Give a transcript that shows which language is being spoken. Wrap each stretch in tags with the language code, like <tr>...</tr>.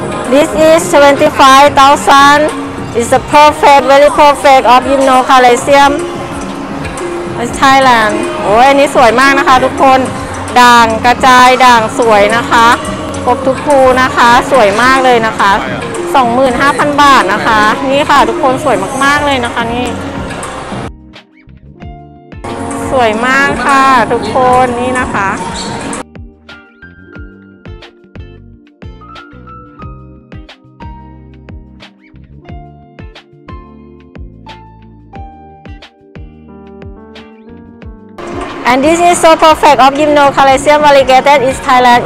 <en>This is 75,000. It's a perfect, very perfect of Himno Coliseum in Thailand.</en> <th>โอ้ยอันนี้สวยมากนะคะทุกคนด่างกระจายด่างสวยนะคะครบทุกภูนะคะสวยมากเลยนะคะ 25,000 บาทนะคะนี่ค่ะทุกคนสวยมากๆเลยนะคะนี่สวยมากค่ะทุกคนนี่นะคะ</th> <en>And this is so perfect of Himno Coliseum Variegated in Thailand.</en>